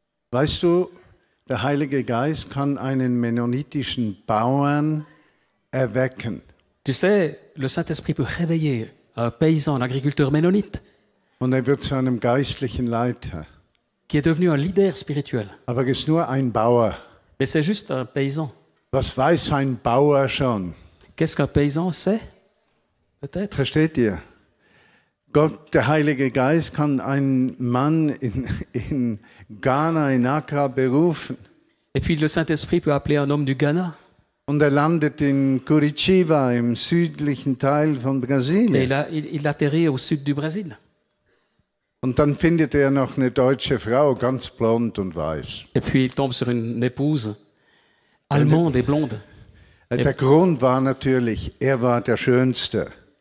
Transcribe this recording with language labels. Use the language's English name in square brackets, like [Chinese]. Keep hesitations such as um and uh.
[German] Weißt du, der Heilige Geist kann einen mennonitischen Bauern erwecken. [French] Tu sais, le Saint-Esprit peut réveiller un paysan, un agriculteur mennonite. [German] Und er wird zu einem geistlichen Leiter. [French] Qui est devenu un leader spirituel. [German] Aber es ist nur ein Bauer. [French] Mais c'est juste un paysan. [German] Was weiß ein Bauer schon? [French] Qu'est-ce qu'un paysan sait? peut -être. [German] Versteht ihr? Gott, der Heilige Geist kann einen Mann in, in Ghana, in Accra berufen. Puis, un und er landet in Curitiba, im südlichen Teil von Brasilien. [French] Il a, il, il Brasil. [German] Und dann findet er noch eine deutsche Frau, ganz blond und weiß. [French] Und puis il tombe sur une épouse allemande et, et blonde. [German] der Grund war natürlich, er war der Schönste.